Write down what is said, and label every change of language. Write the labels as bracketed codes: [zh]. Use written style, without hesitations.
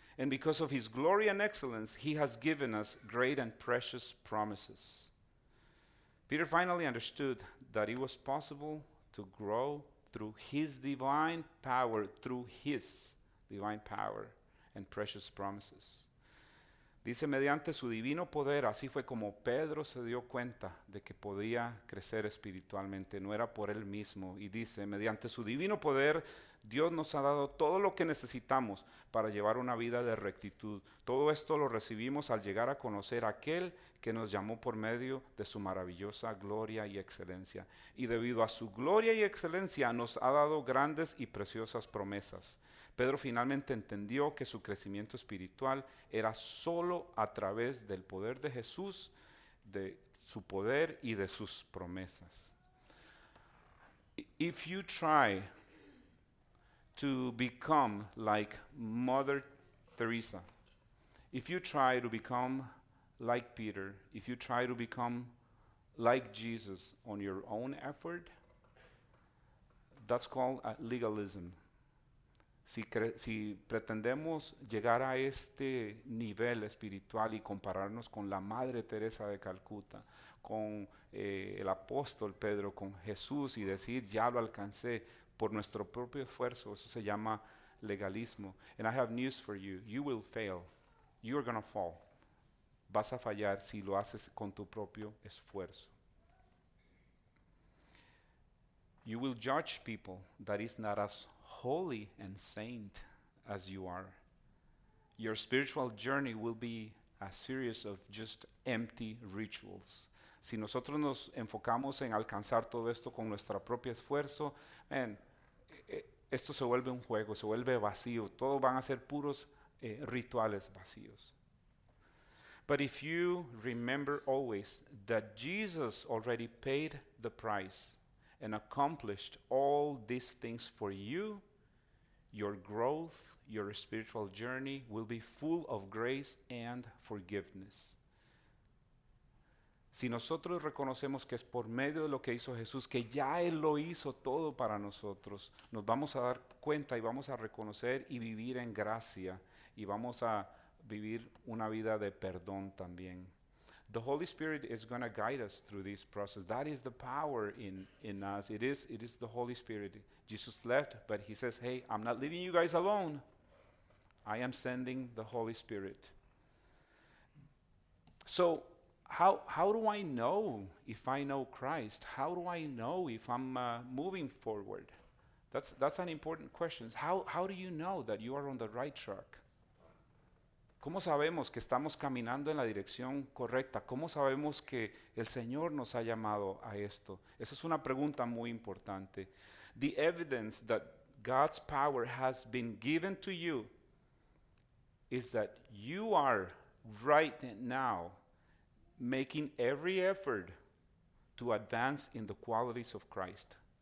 [en] And because of his glory and excellence, he has given us great and precious promises. Peter finally understood that it was possible to grow through his divine power, through his divine power and precious promises. [es] Dice, mediante su divino poder, así fue como Pedro se dio cuenta de que podía crecer espiritualmente, no era por él mismo. Y dice, mediante su divino poder, Dios nos ha dado todo lo que necesitamos para llevar una vida de rectitud. Todo esto lo recibimos al llegar a conocer a aquel que nos llamó por medio de su maravillosa gloria y excelencia. Y debido a su gloria y excelencia, nos ha dado grandes y preciosas promesas. Pedro finalmente entendió que su crecimiento espiritual era solo a través del poder de Jesús, de su poder y de sus promesas. [en] If you try to become like Mother Teresa, if you try to become like Peter, if you try to become like Jesus on your own effort, that's called legalism. [es] Si pretendemos llegar a este nivel espiritual y compararnos con la Madre Teresa de Calcuta, con el apóstol Pedro, con Jesús, y decir, ya lo alcancé por nuestro propio esfuerzo, eso se llama legalismo. [en] And I have news for you. You will fail. You are going to fall. [es] Vas a fallar si lo haces con tu propio esfuerzo. [en] You will judge people that is not as holy and saint as you are. Your spiritual journey will be a series of just empty rituals. [es] Si nosotros nos enfocamos en alcanzar todo esto con nuestro propio esfuerzo, man, esto se vuelve un juego, se vuelve vacío. Todos van a ser puros rituales vacíos. [en] But if you remember always that Jesus already paid the price and accomplished all these things for you, your growth, your spiritual journey will be full of grace and forgiveness. [es] Si nosotros reconocemos que es por medio de lo que hizo Jesús, que ya Él lo hizo todo para nosotros, nos vamos a dar cuenta y vamos a reconocer y vivir en gracia, y vamos a vivir una vida de perdón también. [en] The Holy Spirit is going to guide us through this process. That is the power in us. It is the Holy Spirit. Jesus left, but he says, hey, I'm not leaving you guys alone. I am sending the Holy Spirit. So How do I know if I know Christ? How do I know if I'm moving forward? That's an important question. How do you know that you are on the right track? [es] ¿Cómo sabemos que estamos caminando en la dirección correcta? ¿Cómo sabemos que el Señor nos ha llamado a esto? Esa es una pregunta muy importante. [en] The evidence that God's power has been given to you is that you are right now making every effort to advance in the qualities of Christ.